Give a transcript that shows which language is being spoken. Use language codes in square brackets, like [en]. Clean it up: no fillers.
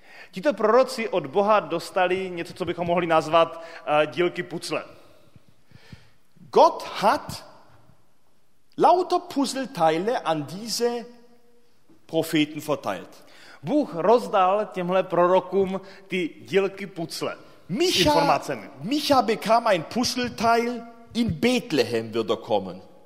[cs] Tito proroci od Boha dostali něco, co bychom mohli nazvat dílky puzzle. [de] Gott hat lauter Puzzleteile an diese Propheten verteilt. [cs] Bůh rozdal těmhle prorokům ty dílky puzzle. [de] Micha bekam ein Puzzleteil in Bethlehem wird er kommen.